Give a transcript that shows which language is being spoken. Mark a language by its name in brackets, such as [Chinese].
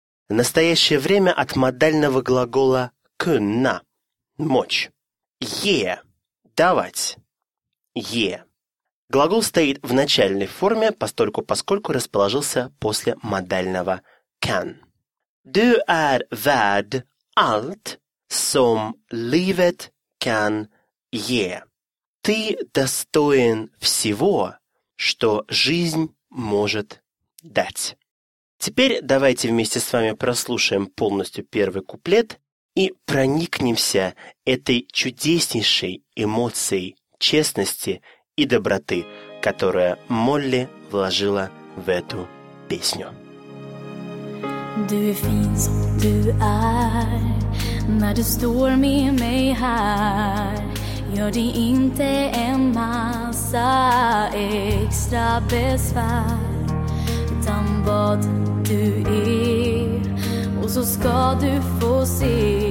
[Russian] Настоящее время от модального глагола kunna. Мочь. Е. Давать. Е. Глагол стоит в начальной форме, поскольку расположился после модального can. [Swedish] Du är värd allt som livet kan ge. [Russian] Ты достоин всего, что жизнь может дать. Теперь давайте вместе с вами прослушаем полностью первый куплет и проникнемся этой чудеснейшей эмоцией честности и доброты, которую Молли вложила в эту песню. [Swedish] Du är fin som du är när du står med mig här. Gör det inte en massa extra besvär, utan vad du är, och så ska du få se.